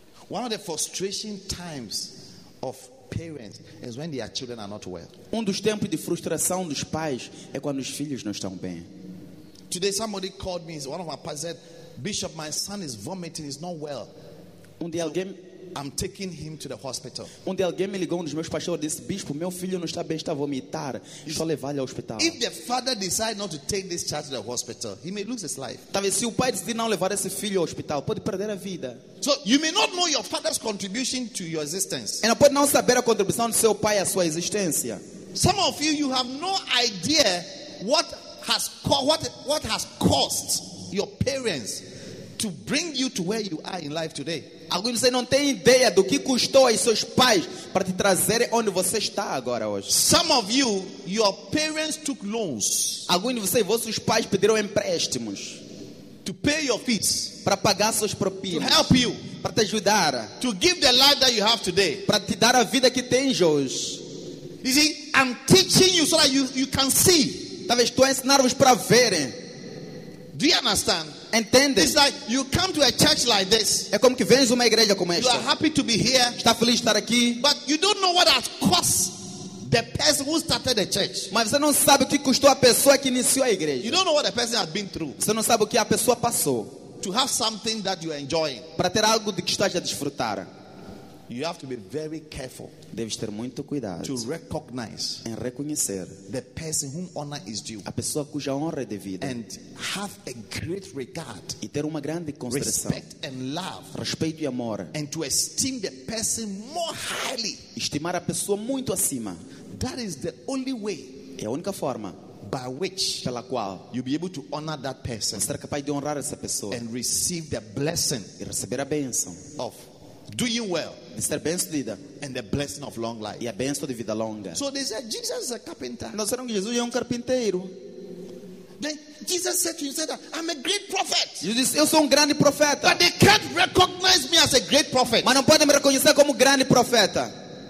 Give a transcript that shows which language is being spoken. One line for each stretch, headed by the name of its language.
English: One of the frustrating times of parents is when their children are not well.
Portuguese: Um dos tempos de frustração dos pais é quando os filhos não estão bem.
English: Today somebody called me, one of my pastors said, Bishop, my son is vomiting, he's not well. I'm taking him to the hospital.
Portuguese: Onde alguém me ligou, um dos meus pastores disse, Bispo, meu filho não está bem, está a vomitar, estou a levá-lo ao hospital.
English: If the father decides not to take this child to the hospital, he may lose his life.
Portuguese: Talvez se o pai decidir não levar esse filho ao hospital, pode perder a vida.
English: So you may not know your father's contribution to your existence.
Portuguese: E não pode não saber a contribuição do seu pai à sua existência.
English: Some of you, you have no idea what has caused your parents to bring you to where you are in life today.
Portuguese: Alguns de vocês não têm ideia do que custou aos seus pais para te trazerem onde você está agora hoje.
English: Some of you, your parents took loans.
Portuguese: Alguns de vocês, vossos pais pediram empréstimos
English: to pay your fees,
Portuguese: para pagar suas propinas,
English: to help you,
Portuguese: para te ajudar,
English: to give the life that you have today,
Portuguese: para te dar a vida que tens hoje.
English: You see, I'm teaching you so that you can see.
Portuguese: Talvez estou a ensinar-vos para verem.
English: Do you understand?
Portuguese: Entende?
English: It's like you come to a church like this.
Portuguese: É como que vens uma igreja como esta.
English: You are happy to be here.
Portuguese: Está feliz de estar aqui.
English: But you don't know what has caused the person who started the church.
Portuguese: Mas você não sabe o que custou a pessoa que iniciou a igreja.
English: You don't know what the person has been through.
Portuguese: Você não sabe o que a pessoa passou.
English: To have something that you are enjoying.
Portuguese: Para ter algo de que estás a desfrutar.
English: You have to be very careful.
Portuguese: Deves ter muito cuidado.
English: To recognize,
Portuguese: em reconhecer,
English: the person whom honor is due,
Portuguese: a pessoa cuja honra é devida,
English: and have a great regard,
Portuguese: e ter uma grande consideração,
English: respect and love,
Portuguese: respeito e amor,
English: and to esteem the person more highly,
Portuguese: estimar a pessoa muito acima.
English: That is the only way,
Portuguese: é a única forma,
English: by which,
Portuguese: pela qual,
English: you'll be able to honor that person,
Portuguese: ser capaz de honrar essa pessoa,
English: and receive the blessing,
Portuguese: e receber a bênção,
English: of doing well,
Portuguese: de ser bem sucedida,
English: and the blessing of long life,
Portuguese: e a bênção de vida longa.
English: So they said Jesus is a carpenter.
Portuguese: Nós sabemos que Jesus é carpinteiro.
English: Then Jesus said to him, said, I'm a great prophet.
Portuguese: Jesus, eu sou grande profeta.
English: But they can't recognize me as a great prophet.
Portuguese: Mas não podem me reconhecer como grande profeta.